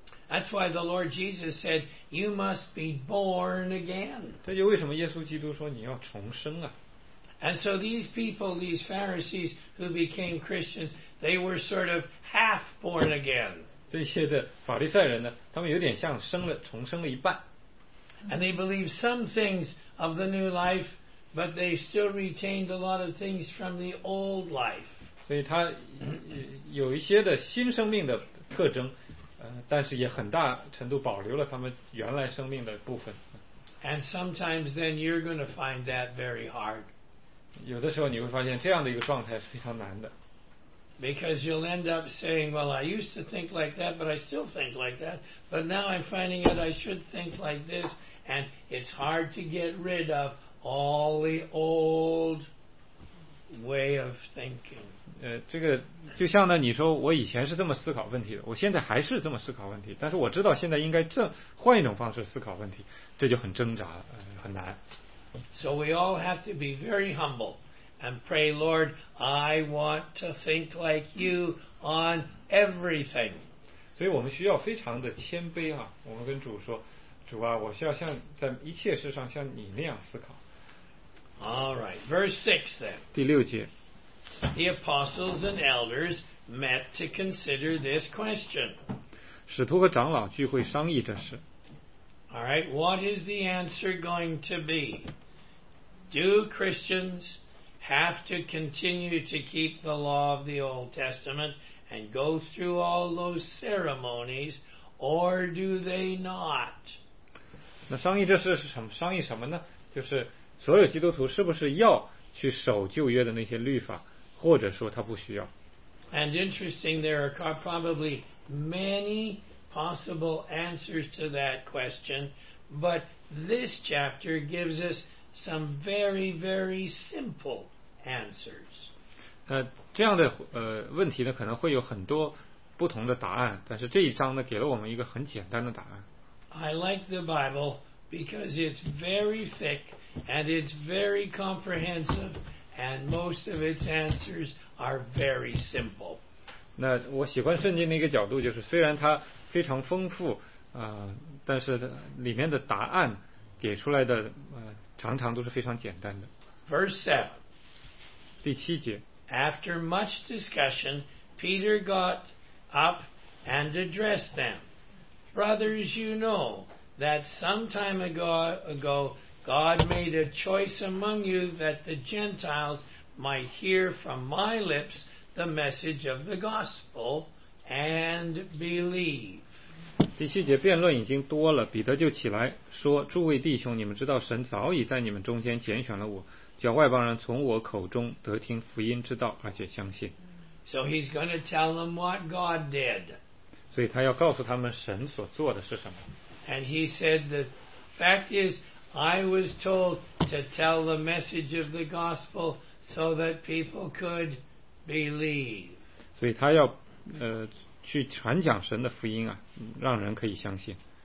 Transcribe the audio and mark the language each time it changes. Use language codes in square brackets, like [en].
[en] That's why the Lord Jesus said, "You must be born again." [zh] 这就为什么耶稣基督说你要重生啊。 [en] And so these people, these Pharisees who became Christians, they were sort of half born again. [zh] 这些的法利赛人呢，他们有点像重生了一半。 [en] And they believed some things of the new life, but they still retained a lot of things from the old life. [zh] 所以他有一些的新生命的特征，但是也很大程度保留了他们原来生命的部分。 [en] And sometimes then you're going to find that very hard. [zh] 有的时候你会发现这样的一个状态是非常难的。 [en] Because you'll end up saying, well, I used to think like that, but I still think like that. But now I'm finding out I should think like this. And it's hard to get rid of all the old way of thinking. [zh] 这个就像呢，你说我以前是这么思考问题的，我现在还是这么思考问题，但是我知道现在应该正换一种方式思考问题，这就很挣扎，很难。 [en] So we all have to be very humble. And pray, Lord, I want to think like you on everything. [zh] 所以我们需要非常的谦卑啊，我们跟主说，主啊，我需要像在一切事上像你那样思考。 [en] All right, verse 6 then. [zh] 第六节。 [en] The apostles and elders met to consider this question. [zh] 使徒和长老聚会商议这事。 [en] All right, what is the answer going to be? Do Christians... have to continue to keep the law of the Old Testament and go through all those ceremonies, or do they not? [zh] 那商议这是什么？商议什么呢？就是所有基督徒是不是要去守旧约的那些律法，或者说他不需要？ [en] And interesting, there are probably many possible answers to that question, but this chapter gives us some very, very simple. Answers. [zh] 这样的问题呢，可能会有很多不同的答案，但是这一章呢，给了我们一个很简单的答案。 [en] I like the Bible because it's very thick and it's very comprehensive, and most of its answers are very simple. [zh] 那我喜欢圣经的一个角度就是，虽然它非常丰富，但是里面的答案给出来的常常都是非常简单的。 [en] Verse 7. [zh] 第七节。 [en] After much discussion, Peter got up and addressed them. Brothers, you know that some time ago, God made a choice among you that the Gentiles might hear from my lips the message of the gospel and believe. [zh] 第七节，辩论已经多了，彼得就起来说：“诸位弟兄，你们知道神早已在你们中间拣选了我。” 叫外邦人从我口中得听福音之道，而且相信。 [en] So he's going to tell them what God did. [zh] 所以他要告诉他们神所做的是什么。 [en] And he said, the fact is, I was told to tell the message of the gospel so that people could believe. [zh] 所以他要去传讲神的福音啊，让人可以相信。